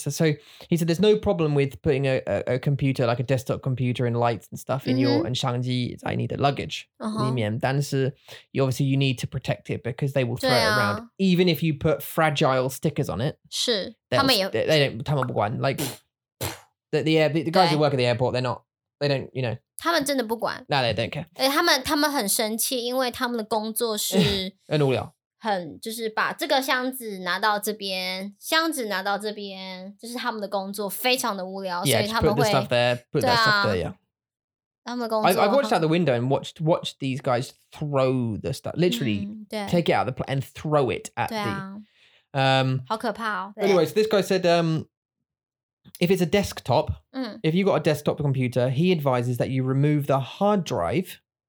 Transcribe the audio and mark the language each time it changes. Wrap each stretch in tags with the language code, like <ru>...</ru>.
<en>So he said there's no problem with putting a computer, like a desktop computer and lights and stuff in your, and</en> <zh>相机,</zh> <en>I need a luggage. Uh-huh.</en> <zh>但是,</zh> <en>obviously you need to protect it because they will throw it around. Even if you put fragile stickers on it.</en> <zh>是.</zh> <en>They don't,</en> <zh>他们不管,</zh> <en>like, the guys who work at the airport, they're not, they don't, you know,</en> <zh>他们真的不管.</zh> <en>No, they don't care.</en> <zh>他们很生气, 因为他们的工作是很无聊. 就是把这个箱子拿到这边, 箱子拿到这边, 就是他们的工作, 非常的无聊.</zh> <en>Yeah,</en> <zh>所以他们会,</zh> <en>put the stuff there, put that stuff there, yeah.</en> <zh>他们的工作,</zh> <en>I watched out the window and watched these guys throw the stuff, literally take it out of the plane and throw it at the...</en> <zh>好可怕哦.</zh> <en>Anyway, so this guy said... if it's a desktop, if you've got a desktop computer, he advises that you remove the hard drive.</en>